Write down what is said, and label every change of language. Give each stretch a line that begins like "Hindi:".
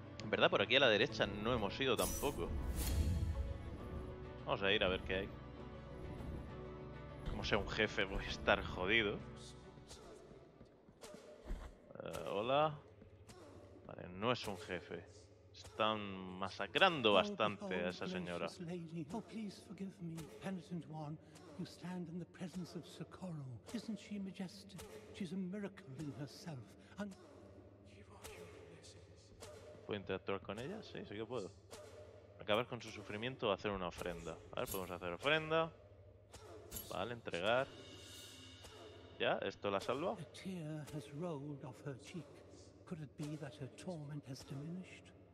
Spanish: verdad, por aquí a la derecha no hemos ido tampoco. Vamos a ir a ver qué hay. Como sea un jefe, voy a estar jodido. Hola. Vale, no es un jefe. Están masacrando bastante a esa señora.
English: Oh, please forgive me, penitent one. You stand in the presence of Socorro. Isn't she majestic? She's a miracle in herself.
Spanish: And ¿puedo interactuar con ella? Sí, sí que puedo. Acabar con su sufrimiento o hacer una ofrenda. A ver, podemos hacer ofrenda. Vale, entregar. ¿Ya? ¿Esto la salva?
English: A tear has rolled off her cheek. Could it be that her torment has diminished?